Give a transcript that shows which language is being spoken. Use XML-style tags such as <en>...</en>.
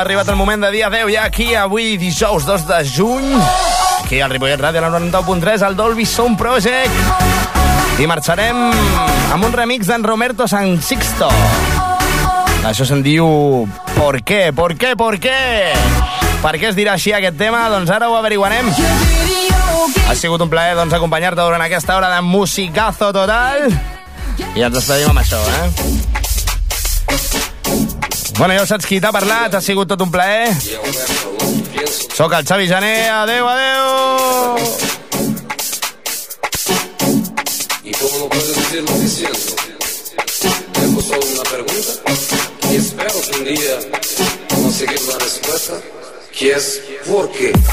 <ca>El moment de dia 10 ja aquí, avui dijous 2 de juny, aquí al Ripollet Ràdio, a la 91.3, al Dolby Sound Project. I marxarem amb un remix d'en Roberto San Sixto. Això se'n diu Por qué, por qué, por qué. Per què es dirà així aquest tema? Doncs ara ho averiguarem. Ha sigut un plaer, doncs, acompanyar-te durant aquesta hora de musicazo total. I ens despedim amb això, eh? Bueno, ja ho saps qui t'ha parlat, ha sigut tot un plaer. Sóc el Xavi Jané, adeu, adeu!</ca> <es>¿Y cómo no puedes decirlo diciendo? Tengo solo una pregunta y espero que un día conseguir la respuesta, que es ¿por qué?</es>